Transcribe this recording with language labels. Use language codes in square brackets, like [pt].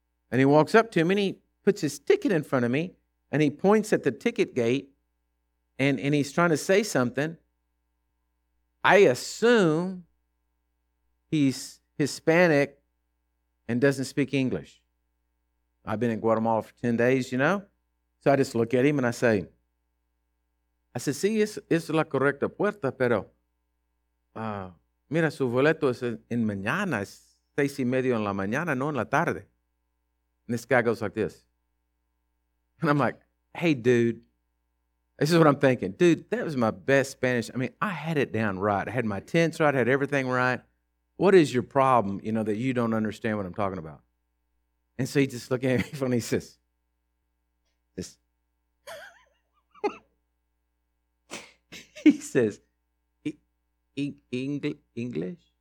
[en] And he walks up to me, and he puts his ticket in front of me, and he points at the ticket gate, and he's trying to say something. I assume he's Hispanic and doesn't speak English. I've been in Guatemala for 10 days, you know? So I just look at him and I say, [es] sí, es la correcta puerta, pero mira, su boleto es en mañana, es 6:30 en la mañana, no en la tarde. [en] And this guy goes like this. And I'm like, hey, dude. This is what I'm thinking. Dude, that was my best Spanish. I mean, I had it down right. I had my tense right. I had everything right. What is your problem, you know, that you don't understand what I'm talking about? And so he just looked at me and he says, English?